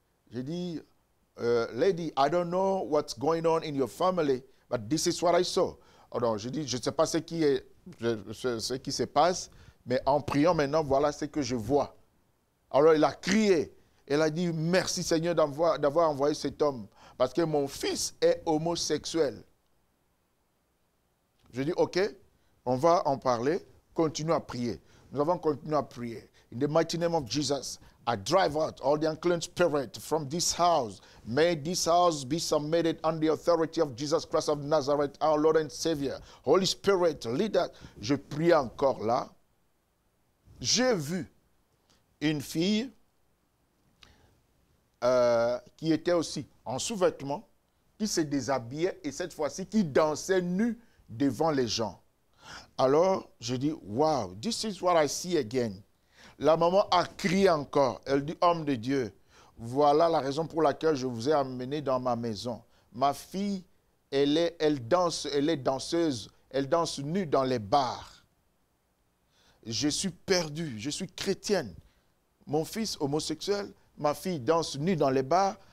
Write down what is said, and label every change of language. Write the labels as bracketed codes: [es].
[fr] J'ai dit, « [en] Lady, I don't know what's going on in your family, but this is what I saw. [fr] » Alors, j'ai dit, « Je ne sais pas ce qui se passe, mais en priant maintenant, voilà ce que je vois. » Alors, il a crié. Elle a dit, « Merci Seigneur d'avoir envoyé cet homme, parce que mon fils est homosexuel. » Je dis, ok, on va en parler, continue à prier. Nous avons continué à prier. [en] In the mighty name of Jesus, I drive out all the unclean spirit from this house. May this house be submitted under the authority of Jesus Christ of Nazareth, our Lord and Savior. Holy Spirit, lead us. [fr] Je prie encore là. J'ai vu une fille qui était aussi en sous-vêtement, qui se déshabillait et cette fois-ci qui dansait nue devant les gens. Alors, je dis, [en] wow, this is what I see again. [fr] La maman a crié encore. Elle dit, homme de Dieu, voilà la raison pour laquelle je vous ai amené dans ma maison. Ma fille, elle danse, elle est danseuse, elle danse nue dans les bars. Je suis perdue, je suis chrétienne. Mon fils homosexuel, ma fille danse nue dans les bars.